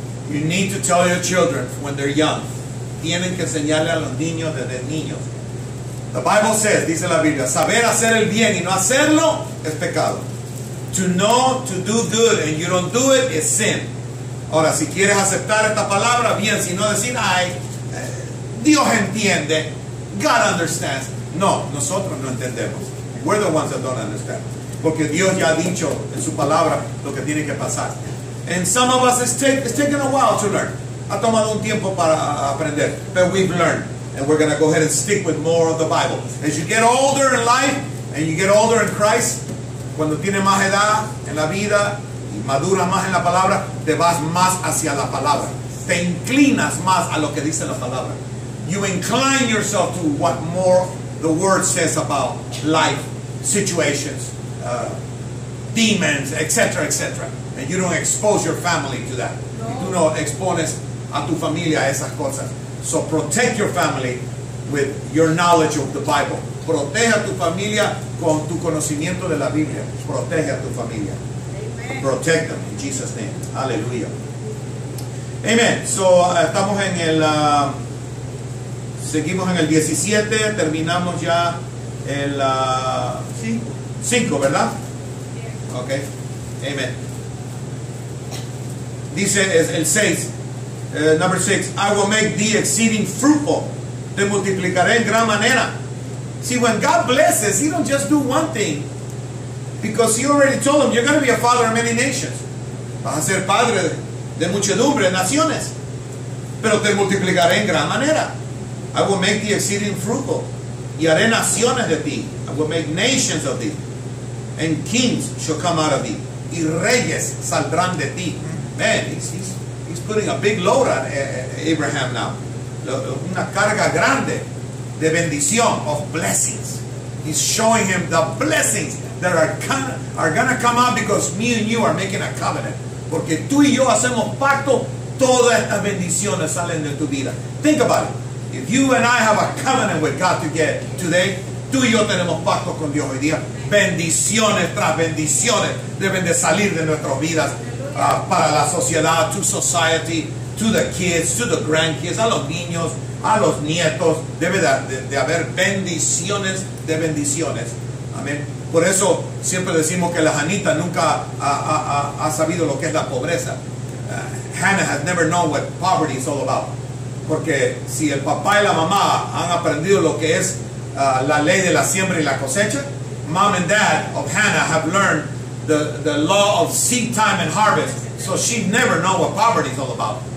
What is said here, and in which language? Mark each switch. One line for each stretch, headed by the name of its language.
English: You need to tell your children when they're young.
Spanish: Tienen que enseñarle a los niños desde niños.
English: The Bible says,
Spanish: dice la Biblia, saber hacer el bien y no hacerlo es pecado.
English: To know to do good and you don't do it is sin.
Spanish: Ahora, si quieres aceptar esta palabra, bien, si no decir, ay, Dios entiende.
English: God understands.
Spanish: No, nosotros no entendemos.
English: We're the ones that don't understand.
Spanish: Porque Dios ya ha dicho en su palabra lo que tiene que pasar.
English: And some of us, it's taken a while to learn.
Spanish: Ha tomado un tiempo para aprender.
English: But we've learned. And we're going to go ahead and stick with more of the Bible. As you get older in life, and you get older in Christ,
Spanish: cuando tienes más edad en la vida, y maduras más en la palabra, te vas más hacia la palabra. Te inclinas más a lo que dice la palabra.
English: You incline yourself to what more the Word says about life, situations, demons, etc., etc. And you don't expose your family to that.
Spanish: No. Y tú no expones a tu familia a esas cosas.
English: So protect your family with your knowledge of the Bible.
Spanish: Protege a tu familia con tu conocimiento de la Biblia. Protege a tu familia. Amen.
English: Protect them in Jesus' name.
Spanish: Aleluya. Amen. So estamos en el... seguimos en el 17, terminamos ya el 5, ¿verdad? Ok, amen. Dice es el 6, number 6,
English: I will make thee exceeding fruitful,
Spanish: te multiplicaré en gran manera.
English: See, when God blesses, he don't just do one thing, because he already told him, you're going to be a father of many nations.
Spanish: Vas a ser padre de muchedumbre, naciones, pero te multiplicaré en gran manera.
English: I will make thee exceeding fruitful.
Spanish: Y haré naciones de ti.
English: I will make nations of thee. And kings shall come out of thee.
Spanish: Y reyes saldrán de ti.
English: Man, he's putting a big load on Abraham now.
Spanish: Una carga grande de bendición,
English: of blessings. He's showing him the blessings that are going to come out because me and you are making a covenant.
Spanish: Porque tú y yo hacemos pacto, todas estas bendiciones salen de tu vida.
English: Think about it. If you and I have a covenant with God to get today,
Spanish: tú y yo tenemos pacto con Dios hoy día. Bendiciones tras bendiciones deben de salir de nuestras vidas para la sociedad,
English: to society, to the kids, to the grandkids,
Spanish: a los niños, a los nietos, debe de haber bendiciones de bendiciones. Amén. Por eso siempre decimos que la Janita nunca ha sabido lo que es la pobreza.
English: Hannah has never known what poverty is all about.
Spanish: Porque si el papá y la mamá han aprendido lo que es la ley de la siembra y la cosecha,
English: mom and dad of Hannah have learned the law of seed time and harvest, so she never know what poverty is all about.